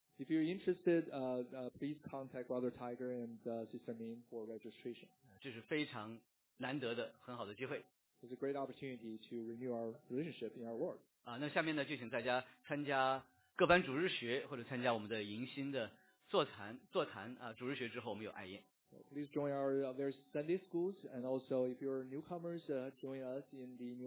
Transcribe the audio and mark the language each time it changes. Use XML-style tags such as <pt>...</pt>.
<en>If you're interested, please contact Brother Tiger and Sister Min for registration.</en> <zh>这是非常难得的很好的机会。</zh> <en>It's a great opportunity to renew our relationship in our work.</en> <zh>啊，那下面呢，就请大家参加各班主日学，或者参加我们的迎新的座谈啊。主日学之后，我们有爱宴。</zh> <en>Please join our various Sunday schools, and also if you're newcomers, join us in the new</en>